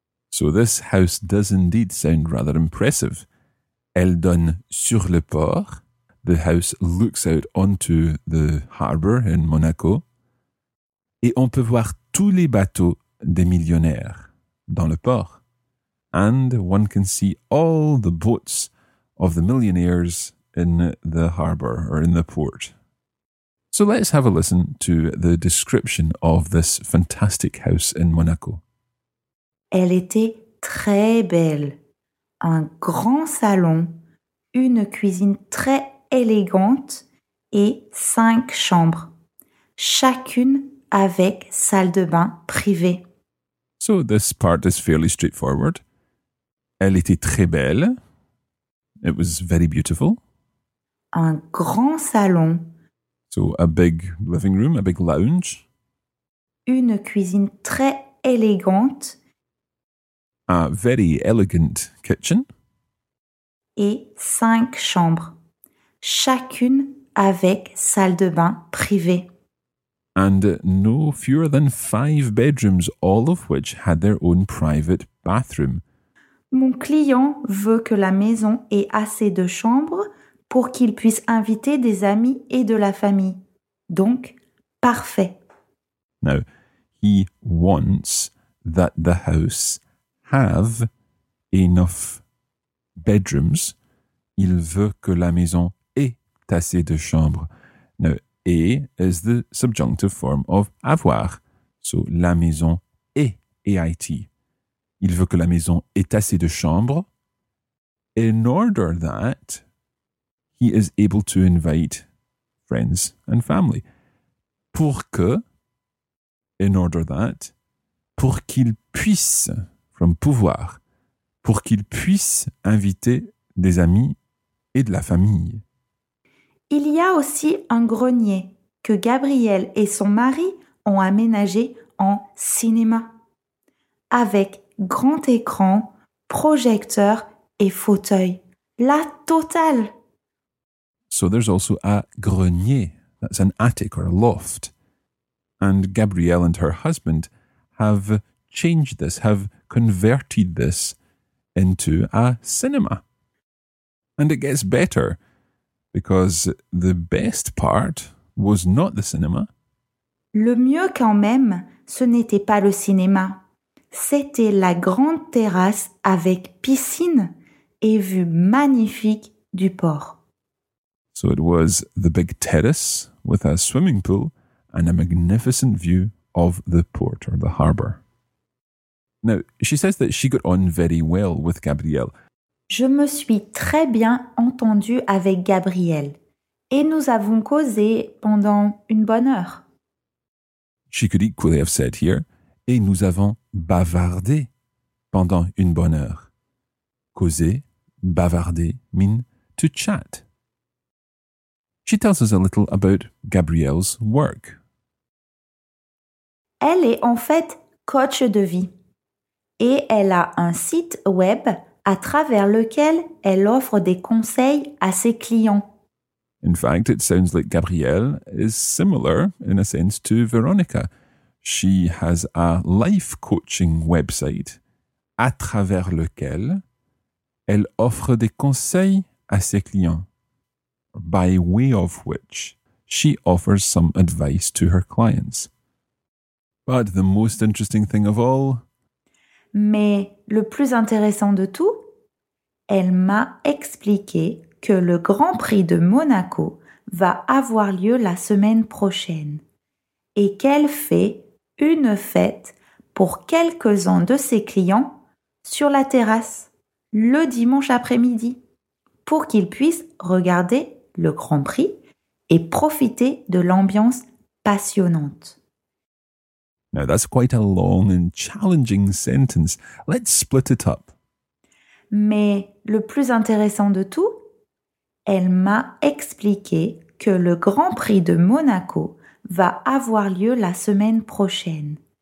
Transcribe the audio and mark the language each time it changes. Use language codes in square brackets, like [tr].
[en] So this house does indeed sound rather impressive. [fr] Elle donne sur le port. [en] The house looks out onto the harbour in Monaco. [fr] Et on peut voir tous les bateaux des millionnaires dans le port. [en] And one can see all the boats of the millionaires in the harbour or in the port. So let's have a listen to the description of this fantastic house in Monaco. [fr] Elle était très belle. Un grand salon, une cuisine très élégante et 5 chambres. Chacune avec salle de bain privée. [en] So this part is fairly straightforward. [fr] Elle était très belle. [en] It was very beautiful. [fr] Un grand salon. [en] So a big living room, a big lounge. [fr] Une cuisine très élégante. [en] A very elegant kitchen. [fr] Et 5 chambres, chacune avec salle de bain privée. [en] And no fewer than 5 bedrooms, all of which had their own private bathroom. [fr] Mon client veut que la maison ait assez de chambres pour qu'il puisse inviter des amis et de la famille. Donc, parfait. [en] Now, he wants that the house have enough bedrooms. [fr] Il veut que la maison ait assez de chambres. [en] Now, et is the subjunctive form of avoir. [fr] So, la maison est, A-I-T. Il veut que la maison ait assez de chambres. [en] In order that, he is able to invite friends and family. [fr] Pour que, [en] in order that, [fr] pour qu'il puisse, from pouvoir, pour qu'il puisse inviter des amis et de la famille. Il y a aussi un grenier que Gabriel et son mari ont aménagé en cinéma, avec grand écran, projecteur et fauteuil. La totale! [en] So there's also a grenier, that's an attic or a loft. And Gabrielle and her husband have changed this, have converted this into a cinema. And it gets better, because the best part was not the cinema. [fr] Le mieux quand même, ce n'était pas le cinéma. C'était la grande terrasse avec piscine et vue magnifique du port. [en] So it was the big terrace with a swimming pool and a magnificent view of the port or the harbour. Now, she says that she got on very well with Gabrielle. [fr] Je me suis très bien entendue avec Gabrielle et nous avons causé pendant une bonne heure. [en] She could equally have said here, [fr] et nous avons bavardé pendant une bonne heure. [en] Causer, bavarder, mean to chat. She tells us a little about Gabrielle's work. [fr] Elle est en fait coach de vie. Et elle a un site web à travers lequel elle offre des conseils à ses clients. [en] In fact, it sounds like Gabrielle is similar, in a sense, to Veronica. She has a life coaching website [fr] à travers lequel elle offre des conseils à ses clients. [en] By way of which, she offers some advice to her clients. But the most interesting thing of all... [fr] Mais le plus intéressant de tout, elle m'a expliqué que le Grand Prix de Monaco va avoir lieu la semaine prochaine et qu'elle fait une fête pour quelques-uns de ses clients sur la terrasse le dimanche après-midi pour qu'ils puissent regarder le Grand Prix et profiter de l'ambiance passionnante. [en] Now that's quite a long and challenging sentence. Let's split it up. [fr] Mais le plus intéressant de tout, elle m'a expliqué que le Grand Prix de Monaco va avoir lieu la semaine prochaine.